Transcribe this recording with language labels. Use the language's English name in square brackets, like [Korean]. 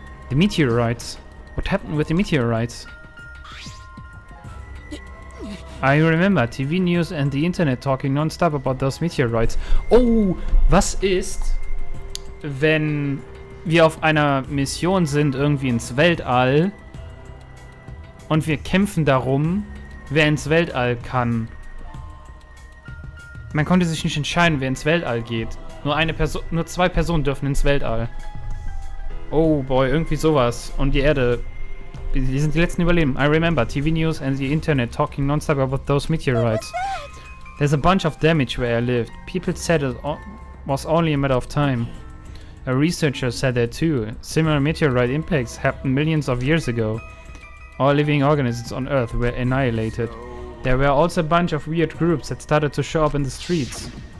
[English] The meteorites. What happened with the meteorites? I remember TV news and the internet talking nonstop about those meteorites. [German] Oh, was ist, wenn wir auf einer Mission sind, irgendwie ins Weltall? Und wir kämpfen darum, wer ins Weltall kann. Man konnte sich nicht entscheiden, wer ins Weltall geht. Nur eine Person, nur zwei Personen dürfen ins Weltall. [English] Oh boy, [German] irgendwie sowas. Und die Erde, die sind die letzten Überleben. [English] I remember TV News and the internet talking nonstop about those meteorites. There's a bunch of damage where I lived. People said it was only a matter of time. A researcher said that too. Similar meteorite impacts happened millions of years ago. All living organisms on Earth were annihilated. There were also a bunch of weird groups that started to show up in the streets.